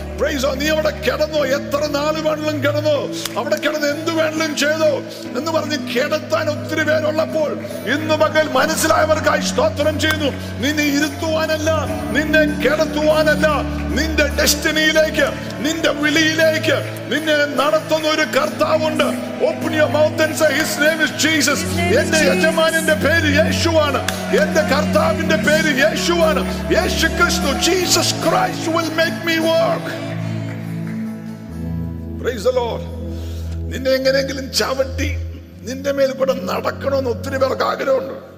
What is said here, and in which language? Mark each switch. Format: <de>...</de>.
<en>praise the,</en> <ml>നീ അവിടെ കിടന്നോ, എത്ര നാള് വേണമെങ്കിലും കിടന്നോ, അവിടെ കിടന്ന് എന്ത് വേണമെങ്കിലും ചെയ്തോ എന്ന് പറഞ്ഞ് കിടത്താൻ ഒത്തിരി പേരുള്ളപ്പോൾ ഇന്ന് പകൽ മനസ്സിലായവർക്കായി സ്തോത്രം ചെയ്യുന്നു. നിന്നെ ഇരുത്തുവാനല്ല, നിന്നെ കിടത്തുവാനല്ല, നിന്റെ ഡെസ്റ്റിനിയിലേക്ക്, നിന്റെ വിളിയിലേക്ക് നിന്നെ നടത്തുന്ന ഒരു കർത്താവുണ്ട്.</ml> <en>Open your mouth and say, his name is Jesus.</en> <ml>എന്റെ യജമാനന്റെ പേര് യേശുവാണ്, എന്റെ കർത്താവിന്റെ പേര് യേശുവാണ്.</ml> <en>യേശു ക്രിസ്തു, Jesus Christ will make me work. Praise the Lord.</en> <ml>നിന്നെ എങ്ങനെയെങ്കിലും ചവിട്ടി നിന്റെ മേൽ കൂടെ നടക്കണമെന്ന് ഒത്തിരി പേർക്ക് ആഗ്രഹമുണ്ട്.</ml>